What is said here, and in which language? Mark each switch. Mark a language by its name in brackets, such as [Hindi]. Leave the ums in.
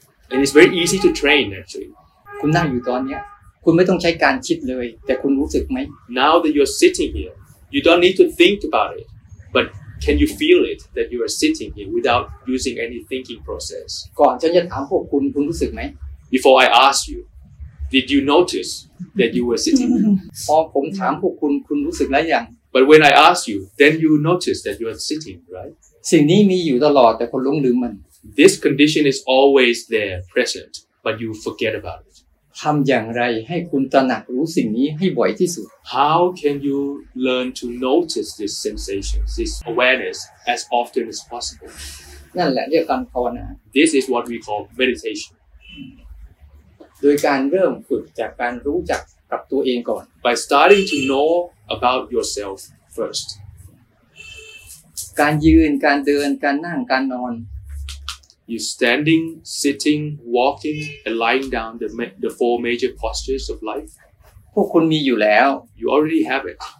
[English] And it's very easy to train actually. [Thai] คุณไม่ต้องใช้การคิดเลยแต่คุณรู้สึกไหม [English] Now that you're sitting here you don't need to think about it but can you feel it that you are sitting here without using any thinking process [Thai] ก่อนฉันจะถามพวกคุณคุณรู้สึกไหม [English] Before I ask you did you notice that you were sitting here [Thai] พอผมถามพวกคุณคุณรู้สึกแล้วยัง [English] But when I ask you then you notice that you are sitting right [Thai] สิ่งนี้มีอยู่ตลอดแต่คุณลืมมัน [English] This condition is always there present but you forget about it [Thai] ทำอย่างไรให้คุณตระหนักรู้สิ่งนี้ให้บ่อยที่สุด [English] How can you learn to notice this sensation, this awareness as often as possible? [Thai] นั่นแหละเรียกการภาวนา [English] This is what we call meditation. [Thai] โดยการเริ่มฝึกจากการรู้จักกับตัวเองก่อน [English] By starting to know about yourself first. [Thai] การยืน การเดิน การนั่ง การนอน [English] you're standing, sitting, walking, and lying down, the, the four major postures of life. You already have it.